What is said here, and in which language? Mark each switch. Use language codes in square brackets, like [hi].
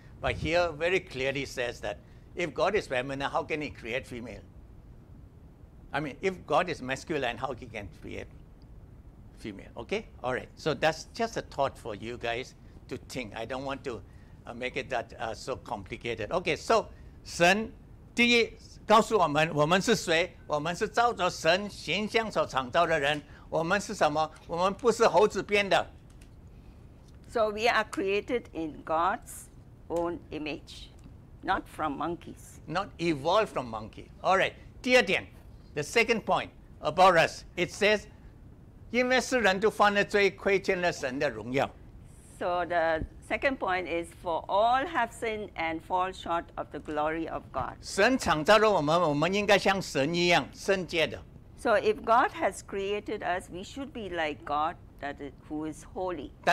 [en] But here, very clearly says that if God is feminine, how can he create female? I mean, if God is masculine, how he can create female, okay? All right, so that's just a thought for you guys to think. I don't want to make it that so complicated. [zh] Okay, so, 神, 第一, 告诉我们，我们是谁？我们是照着神形象所创造的人。我们是什么？我们不是猴子编的。So [en] we are created in God's own image, not from monkeys. Not evolved from monkey. All right. [zh] 第二点, [en] the second point about us. It says, [zh] 因为世人都犯了罪，亏欠了神的荣耀。So [en] the second point is, for all have sinned and fall short of the glory of God. [zh] 神创造了我们，我们应该像神一样圣洁的。So [en] if God has created us, we should be like God, that is, who is holy.